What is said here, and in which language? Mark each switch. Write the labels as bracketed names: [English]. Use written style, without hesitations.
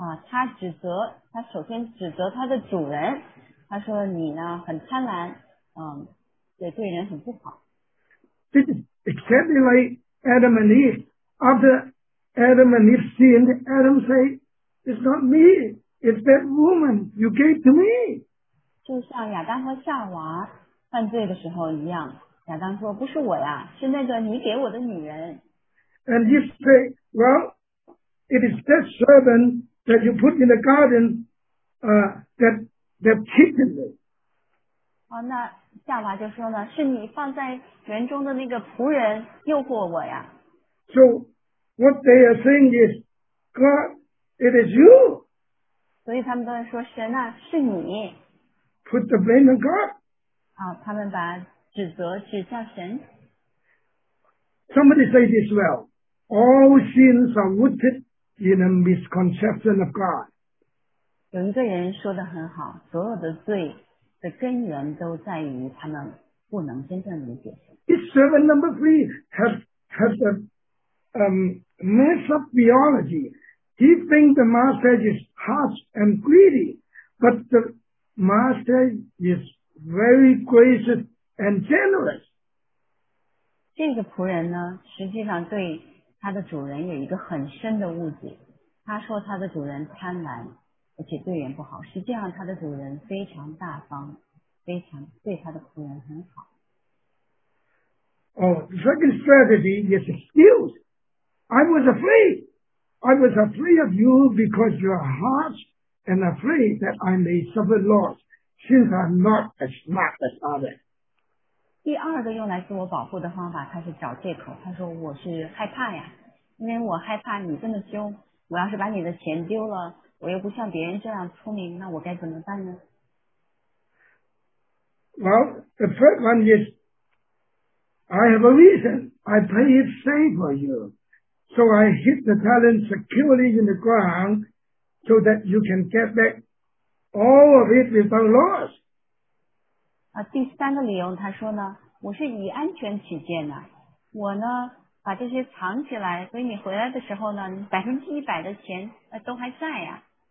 [Chinese] 他指责，他首先指责他的主人，他说你呢很贪婪，对人很不好。 [English] This is exactly like Adam and Eve. After Adam and Eve sinned, Adam said, "It's not me. It's that woman you gave to me." [Chinese] 就像亚当和夏娃犯罪的时候一样，亚当说：“不是我呀，是那个你给我的女人。” [English] And Eve said, "Well, it is that serpent that you put in the garden, that tempted me." [Chinese] 那夏娃就说了，是你放在园中的那个仆人诱惑我呀。 [English] So what they are saying is, God, it is you. [Chinese] 所以他们都在说，神啊，是你。 [English] Put the blame on God. [Chinese] 他们把指责指向神。 [English] Somebody say this well. All sins are rooted in a misconception of God. [Chinese] 有一个人说的很好，所有的罪的根源都在于他们不能真正理解。 [English] This servant number three has a mess of theology. He thinks the master is harsh and greedy, but the master is very gracious and generous. [Chinese] 这个仆人呢，实际上对他的主人有一个很深的误解。他说他的主人贪婪，而且对人不好，实际上他的主人非常大方，非常对他的仆人很好。 [English] The second strategy is excuse. I was afraid. I was afraid of you because you are harsh and afraid that I may suffer loss since I'm not as smart as others. [Chinese] 第二个用来自我保护的方法，他是找借口。他说我是害怕呀，因为我害怕你这么凶，我要是把你的钱丢了，我又不像别人这样聪明，那我该怎么办呢？ [English] Well, the third one is, I have a reason. I play it safe for you. So I hit the talent securely in the ground so that you can get back all of it without loss. [Chinese] 第三个理由他说呢，我是以安全起见的，我呢把这些藏起来，所以你回来的时候呢，100%的钱都还在呀。